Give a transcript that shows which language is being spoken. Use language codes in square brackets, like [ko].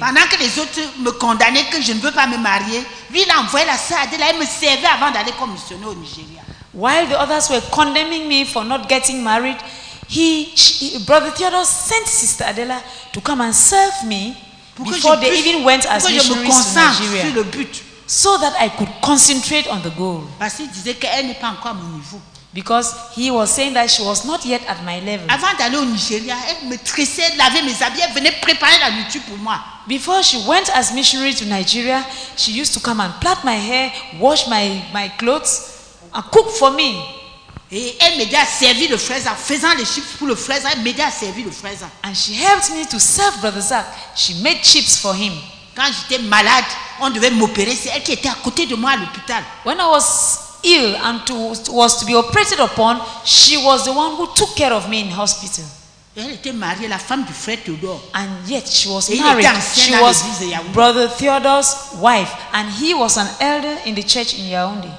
[fr] Pendant que les autres me condamnaient que je ne veux pas me marier, lui il a envoyé la sœur Adela, elle me servait avant d'aller comme missionnaire au Nigeria. [en] While the others were condemning me for not getting married, Brother Theodore sent Sister Adela to come and serve me. [fr] Pourquoi [en] before they even went as missionaries [fr] me [en] to Nigeria, [fr] le but. [en] So that I could concentrate on the goal. [fr] Parce qu'il disait qu'elle n'est pas encore à mon niveau. [en] Because he was saying that she was not yet at my level. [fr] Avant d'aller au Nigeria, elle me tressait, elle lavait mes habits, elle venait préparer la nourriture pour moi. [en] Before she went as missionary to Nigeria, she used to come and plait my hair, wash my clothes, and cook for me. [fr] Et elle m'aidait à servir le frère Zach, faisant les chips pour le frère Zach. Elle m'aidait à servir le frère Zach. [en] And she helped me to serve Brother Zach. She made chips for him. [fr] Quand j'étais malade, on devait m'opérer. C'est elle qui était à côté de moi à l'hôpital. [en] When I was ill and was to be operated upon, she was the one who took care of me in hospital. [fr] Elle était mariée, la femme du frère Theodore. [en] And yet she was married. She was Brother Theodore's wife, and he was an elder in the church in Yaoundé.